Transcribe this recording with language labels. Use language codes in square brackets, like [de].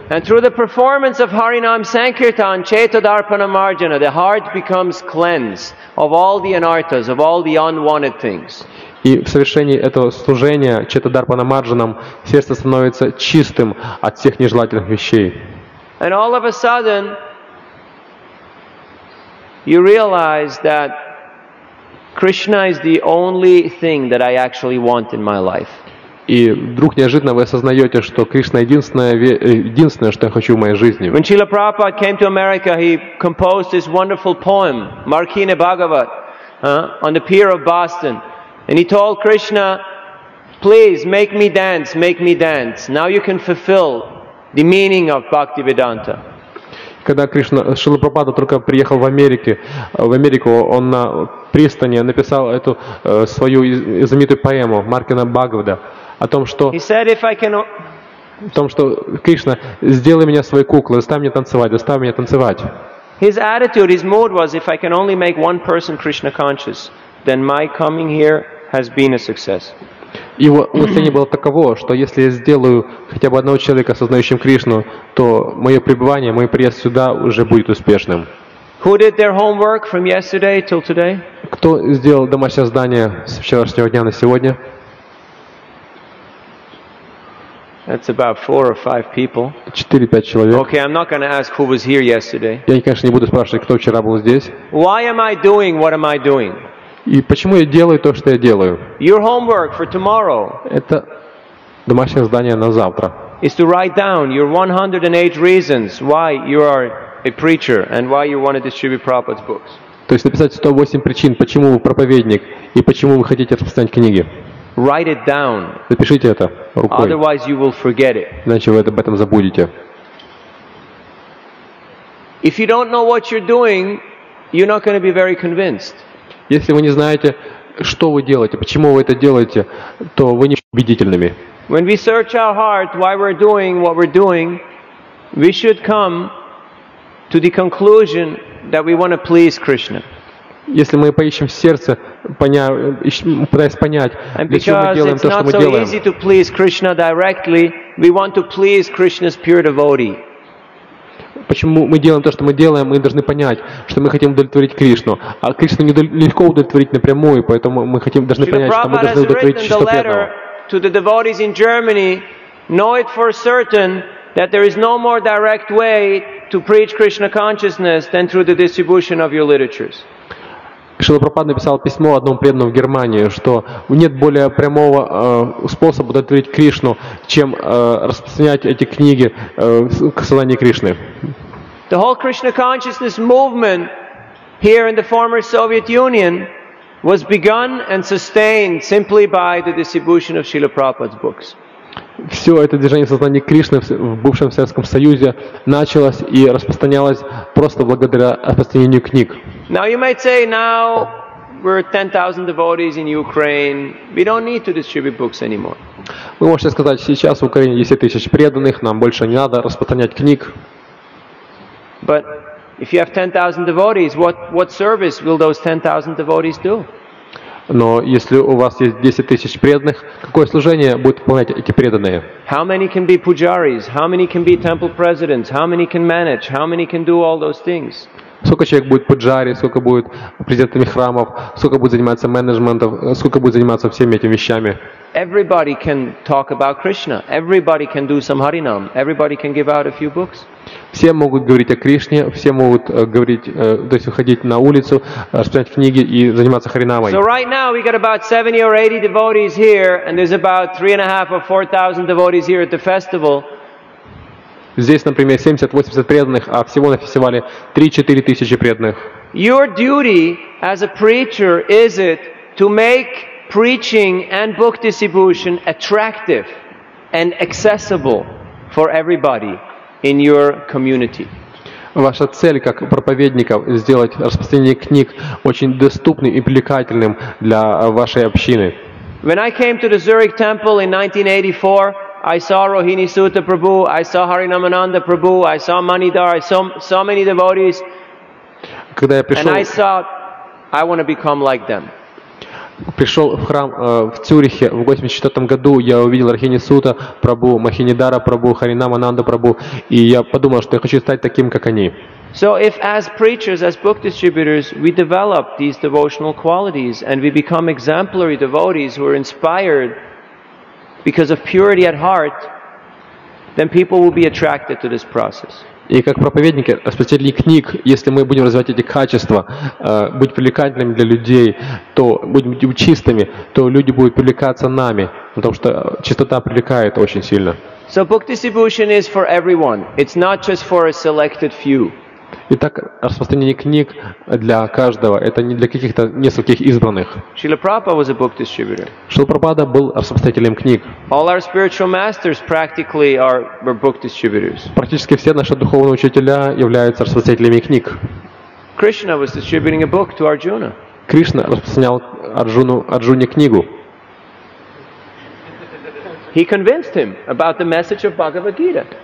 [en] And through the performance of Harinam Sankirtan, Chetadarpana Marjana, the heart becomes cleansed of all the anarthas, of all the unwanted things. [ru] И в совершении этого служения Четадарпана Марджанам сердце становится чистым от всех нежелательных вещей. [en] And all of a sudden, you realize that Krishna is the only thing that I actually want in my life. [ru] И вдруг неожиданно вы осознаете, что Кришна единственное, что я хочу в моей жизни. [en] When Srila Prabhupada came to America, he composed this wonderful poem, Markine Bhagavat, on the pier of Boston. And he told Krishna, please make me dance, now you can fulfill the meaning of Bhaktivedanta. [ru] Когда Кришна, Шрила Прабхупада только приехал в Америку, он на пристани написал эту свою знаменитую поэму Маркина Бхагавада о том, что [en] He said, if I can... [ru] о том, что Кришна, сделай меня своей куклой, заставь меня танцевать. [en] His attitude, his mood was, if I can only make one person Krishna conscious, then my coming here has been a success. [ru] Его мнение было таково, что если я сделаю хотя бы одного человека осознающим Кришну, то мое пребывание, мой приезд сюда уже будет успешным. [en] Who did their homework from yesterday till today? [ru] Кто сделал домашнее задание с вчерашнего дня на сегодня? [en] That's about 4 or 5 people. [ru] 4-5 человек. [en] Okay, I'm not going to ask who was here yesterday. [ru] Я, конечно, не буду спрашивать, кто вчера был здесь. [en] Why am I doing what am I doing? [ru] И почему я делаю то, что я делаю? [en] Your homework for tomorrow. [ru] Это домашнее задание на завтра. [en] Is to write down your 108 reasons why you are a preacher and why you want to distribute Prabhupada's books. [ru] То есть написать 108 причин, почему вы проповедник и почему вы хотите распространять книги. [en] Write it down. [ru] Запишите это рукой. [en] Otherwise you will forget it. [ru] Иначе вы об этом забудете. [en] If you don't know what you're doing, you're not going to be very convinced. [ru] Если вы не знаете, что вы делаете, почему вы это делаете, то вы не будете убедительными. [en] When we search our heart, why we're doing what we're doing, we should come to the conclusion that we want to please Krishna. [ru] Если мы поищем в сердце, пытаясь понять, для чего мы делаем то, что мы делаем. [en] And because it's not so easy to please Krishna directly, we want to please Krishna's pure devotee. [ru] Почему мы делаем то, что мы делаем, мы должны понять, что мы хотим удовлетворить Кришну. А Кришну нелегко удовлетворить напрямую, поэтому мы хотим, должны понять, что мы должны удовлетворить чисто преданного. [en] Know it for certain that there is no more direct way to preach Krishna consciousness than through the distribution of your literatures. [ru] Шрила Прабхупада написал письмо одному преданному в Германии, что нет более прямого способа удовлетворить Кришну, чем распространять эти книги к сознанию Кришны. [en] The whole Krishna consciousness movement here in the former Soviet Union was begun and sustained simply by the distribution of Srila Prabhupada's books. [ru] Все это движение сознания Кришны в бывшем Советском Союзе началось и распространялось просто благодаря распространению книг. [en] Now you might say, now we're 10,000 devotees in Ukraine. We don't need to distribute books anymore. [ru] Вы можете сказать, сейчас в Украине 10,000 преданных, нам больше не надо распространять книг. [en] But if you have 10,000 devotees, what service will those 10,000 devotees do? [ru] Но если у вас есть 10 тысяч преданных, какое служение будут выполнять эти преданные? [en] How many can be pujaris? How many can be temple presidents? How many can manage? How many can do all those things? [ru] Сколько человек будет пуджари, сколько будет президентами храмов, сколько будет заниматься менеджментом, сколько будет заниматься всеми этими вещами? [en] Everybody can talk about Krishna. Everybody can do some harinam. Everybody can give out a few books. [ru] Все могут говорить о Кришне, все могут говорить, то есть выходить на улицу, распространять книги и заниматься харинамой. [en] So right now we got about 70 or 80 devotees here, and there's about 3,500 or 4,000 devotees here at the festival. [ru] Здесь, например, 70-80 преданных, а всего на фестивале 3-4 тысячи преданных. [en] Your duty as a preacher is it to make preaching and book distribution attractive and accessible for everybody in your community. [ru] Ваша цель как проповедников сделать распространение книг очень доступным и привлекательным для вашей общины. [en] When I came to the Zurich Temple in 1984, I saw Rohini Sutta Prabhu, I saw Harinamananda Prabhu, I saw Manidhar, I saw so many devotees. [ru] Когда я пришел, [en] and I thought, I want to become like them. [ru] Пришел в храм в Цюрихе в 84 году, я увидел Рохини Сута Прабу, Махинидара Прабу, Харинамананда Прабу, и я подумал, что я хочу стать таким, как они. [en] So if as preachers, as book distributors, we develop these devotional qualities and we become exemplary devotees who are inspired because of purity at heart, then people will be attracted to this process. [ru] И как проповедники, распространители книг, если мы будем развивать эти качества, быть привлекательными для людей, то будем чистыми, то люди будут привлекаться нами, потому что чистота привлекает очень сильно. [en] So book distribution is for everyone. It's not just for a selected few. [ru] Итак, распространение книг для каждого, это не для каких-то нескольких избранных. [en] Шрила Прабхупада was a book distributor. [ru] Шрила Прабхупада был распространителем книг. [en] All our spiritual masters practically were book distributors. [ru] Практически все наши духовные учителя являются распространителями книг. [en] Krishna was distributing a book to Arjuna. [ru] Кришна распространял Арджуне книгу. [en] He convinced him about the message of Bhagavad Gita.